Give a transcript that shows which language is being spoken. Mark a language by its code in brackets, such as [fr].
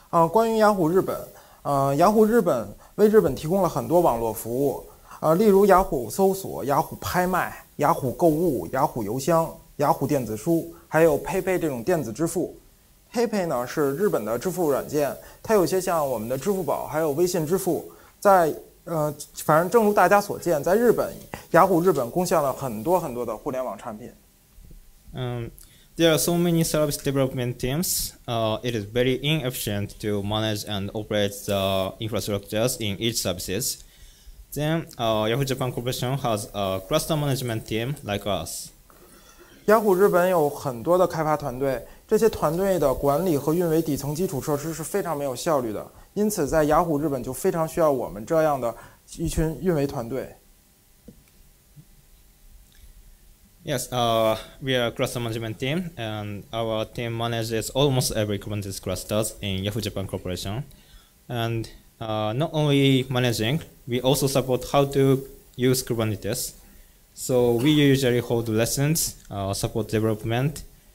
[zh] 关于雅虎日本，雅虎日本为日本提供了很多网络服务，例如雅虎搜索、雅虎拍卖、雅虎购物、雅虎邮箱、雅虎电子书，还有 PayPay 这种电子支付。 PayPay 呢是日本的支付软件，它有些像我们的支付宝，还有微信支付。在反正正如大家所见，在日本，雅虎日本贡献了很多很多的互联网产品。 [en] There are so many service development teams. It is very inefficient to manage and operate the infrastructures in each services. Then, Yahoo Japan Corporation has a cluster management team like us. [zh] 雅虎日本有很多的开发团队。这些团队的管理和运维底层基础设施是非常没有效率的，因此在雅虎日本就非常需要我们这样的一群运维团队。 [en] Yes, we are a cluster management team, and our team manages almost every Kubernetes clusters in Yahoo Japan Corporation. And not only managing, we also support how to use Kubernetes. So we usually hold lessons, support development.